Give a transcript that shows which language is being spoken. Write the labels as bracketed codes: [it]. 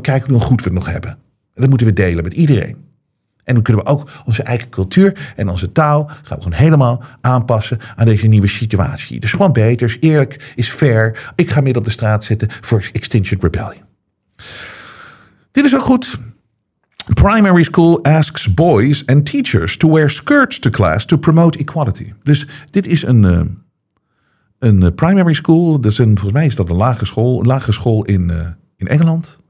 [nl] Kijken hoe goed we het nog hebben. En dat moeten we delen met iedereen. En dan kunnen we ook onze eigen cultuur en onze taal gaan we gewoon helemaal aanpassen aan deze nieuwe situatie. Dus gewoon beter. Is eerlijk. Is fair. Ik ga midden op de straat zitten voor Extinction Rebellion. Dit is ook goed. [en] Primary school asks boys and teachers to wear skirts to class to promote equality. [nl] Dus dit is een primary school. Dat is een, volgens mij is dat een lagere school in Engeland.